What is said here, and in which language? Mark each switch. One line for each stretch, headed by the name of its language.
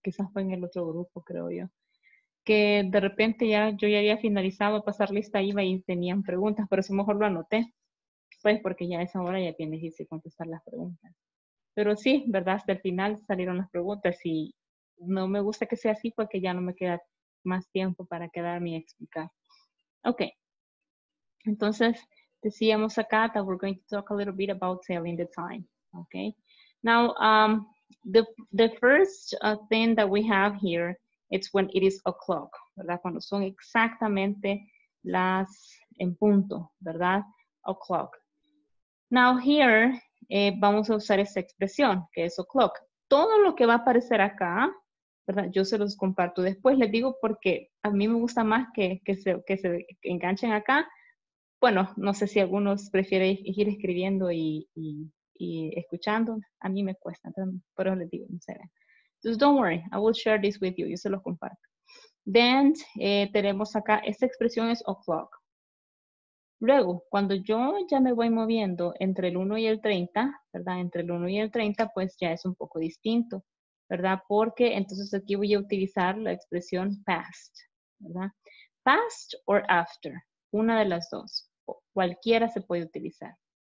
Spanish: Quizás fue en el otro grupo, creo yo. Que de repente ya yo ya había finalizado pasar lista, iba y tenían preguntas, pero eso mejor lo anoté. Pues porque ya a esa hora ya tienes que contestar las preguntas. Pero sí, ¿verdad? Hasta el final salieron las preguntas y no me gusta que sea así porque ya no me queda más tiempo para quedarme y explicar. Ok. Entonces, decíamos acá
English: that we're going to talk a little bit about telling the time.
Spanish: Ok.
English: Now, the first thing that we have here, it's when it is o'clock, ¿verdad?
Spanish: Cuando son exactamente las en punto, ¿verdad? O'clock. Now here, vamos a usar esta expresión, que es o'clock. Todo lo que va a aparecer acá, ¿verdad? Yo se los comparto después. Les digo porque a mí me gusta más que se enganchen acá. Bueno, no sé si algunos prefieren ir escribiendo y escuchando. A mí me cuesta, pero les digo, no sé.
English: Just don't worry, I will share this with you.
Spanish: Yo se los comparto. Then, tenemos acá, esta expresión es o'clock. Luego, cuando yo ya me voy moviendo entre el 1 y el 30, ¿verdad? Entre el 1 y el 30, pues ya es un poco distinto, ¿verdad? Porque entonces aquí voy a utilizar la expresión past, ¿verdad? Past or after, una de las dos. Cualquiera se puede utilizar.